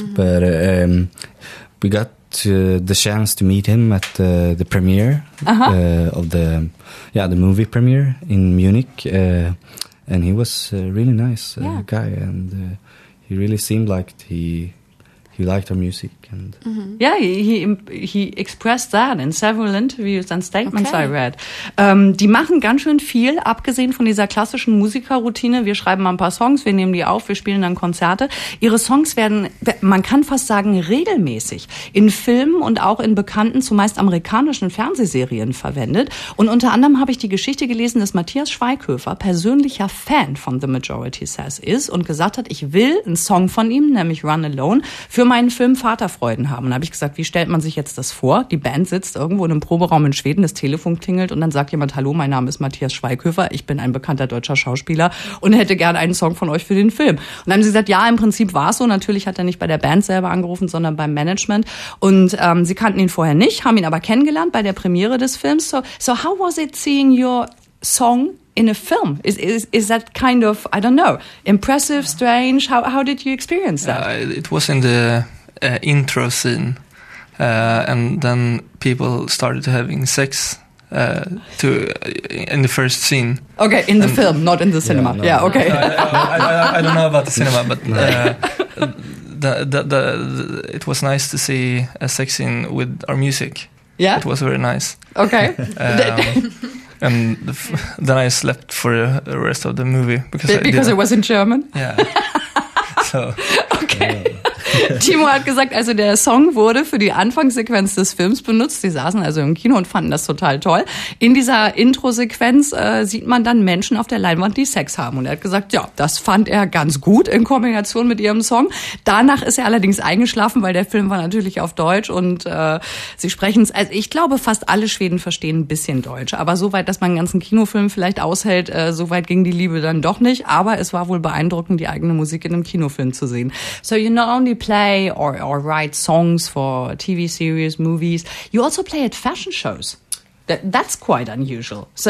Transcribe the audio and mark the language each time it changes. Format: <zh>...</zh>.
<en>Mm-hmm. But we got the chance to meet him at the premiere of the movie premiere in Munich, and he was a really nice guy, and he really seemed like he liked our music, and mm-hmm. he expressed that in several interviews and statements I read.</en> <de>Die machen ganz schön viel, abgesehen von dieser klassischen Musikerroutine. Wir schreiben mal ein paar Songs, wir nehmen die auf, wir spielen dann Konzerte. Ihre Songs werden, man kann fast sagen, regelmäßig in Filmen und auch in bekannten, zumeist amerikanischen Fernsehserien verwendet. Und unter anderem habe ich die Geschichte gelesen, dass Matthias Schweighöfer persönlicher Fan von The Majority Says ist und gesagt hat, ich will einen Song von ihm, nämlich Run Alone, für meinen Film Vaterfreuden haben. Und da habe ich gesagt, wie stellt man sich jetzt das vor? Die Band sitzt irgendwo in einem Proberaum in Schweden, das Telefon klingelt und dann sagt jemand, hallo, mein Name ist Matthias Schweighöfer, ich bin ein bekannter deutscher Schauspieler und hätte gerne einen Song von euch für den Film. Und dann haben sie gesagt, ja, im Prinzip war es so. Natürlich hat er nicht bei der Band selber angerufen, sondern beim Management. Und sie kannten ihn vorher nicht, haben ihn aber kennengelernt bei der Premiere des Films.</de> <en>So how was it seeing your song in a film? Is that kind of, I don't know, impressive, strange? How did you experience that? It was in the intro scene, and then people started having sex in the first scene. Okay, in the film, not in the cinema. Yeah, no. I don't know about the cinema, but it was nice to see a sex scene with our music. Yeah, it was very nice. Okay. And then I slept for the rest of the movie because it was in German. Yeah. So. Okay.</en> <de>Timo hat gesagt, also der Song wurde für die Anfangssequenz des Films benutzt. Sie saßen also im Kino und fanden das total toll. In dieser Intro-Sequenz sieht man dann Menschen auf der Leinwand, die Sex haben. Und er hat gesagt, ja, das fand er ganz gut in Kombination mit ihrem Song. Danach ist er allerdings eingeschlafen, weil der Film war natürlich auf Deutsch und sie sprechen es. Also ich glaube, fast alle Schweden verstehen ein bisschen Deutsch. Aber so weit, dass man einen ganzen Kinofilm vielleicht aushält, so weit ging die Liebe dann doch nicht. Aber es war wohl beeindruckend, die eigene Musik in einem Kinofilm zu sehen.</de> <en>So you not only play or write songs for TV series, movies, you also play at fashion shows. That's quite unusual.</en>